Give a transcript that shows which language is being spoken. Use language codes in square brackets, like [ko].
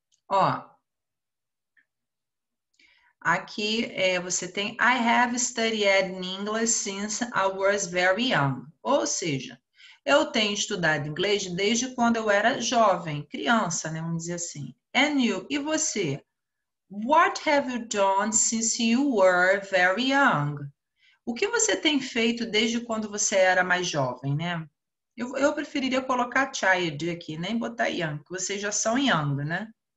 [pt] Ó. Aqui você tem [en] I have studied in English since I was very young. [pt] Ou seja, eu tenho estudado inglês desde quando eu era jovem, criança, né? Vamos dizer assim. [en] And you? [pt] E você? [en] What have you done since you were very young? [pt] O que você tem feito desde quando você era mais jovem, né? Eu preferiria colocar child aqui, nem botar young, que vocês já são young, né?